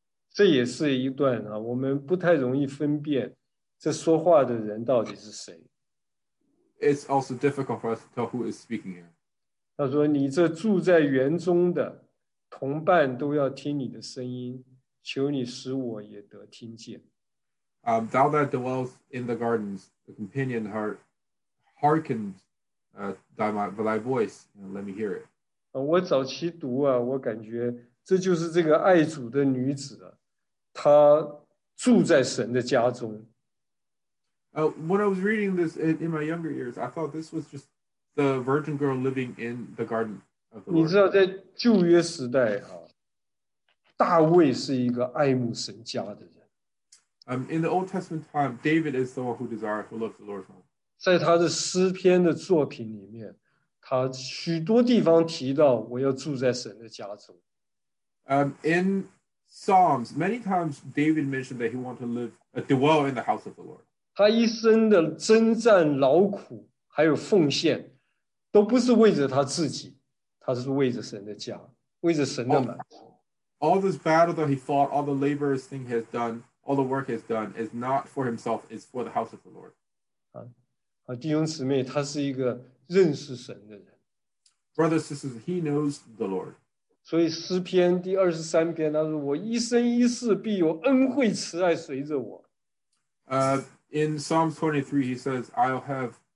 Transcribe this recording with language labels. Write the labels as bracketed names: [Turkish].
[Chinese] 这也是一段啊，我们不太容易分辨这说话的人到底是谁。 [English] It's also difficult for us to tell who is speaking here. [Chinese] 他说：“你这住在园中的。” 同伴都要听你的声音，求你使我也得听见。 [English] Thou that dwells in the gardens, the companion heart, hearken thy voice, and let me hear it. [Chinese] 我早期读啊，我感觉这就是这个爱主的女子啊，她住在神的家中。 [English] When I was reading this in my younger years, I thought this was just the virgin girl living in the garden. [Chinese] 你知道在旧约时代啊，大卫是一个爱慕神家的人。 [English] In the Old Testament time, David is the one who desires to love the Lord's home. [Chinese] 在他的诗篇的作品里面，他许多地方提到我要住在神的家中。 [English] In Psalms, many times David mentioned that he wanted to dwell in the house of the Lord. [Chinese] 他一生的征战、劳苦还有奉献，都不是为着他自己。他是为着神的家，为着神的满足。 [English] All this battle that he fought, all the laborious thing he has done, all the work he has done, is not for himself, it's for the house of the Lord. [Chinese] 弟兄姊妹，他是一个认识神的人。 [English] Brothers, sisters, he knows the Lord. [Chinese] 所以诗篇第二十三篇，他说：“我一生一世必有恩惠慈爱随着我。” [English] In Psalm 23, he says, "I'll have."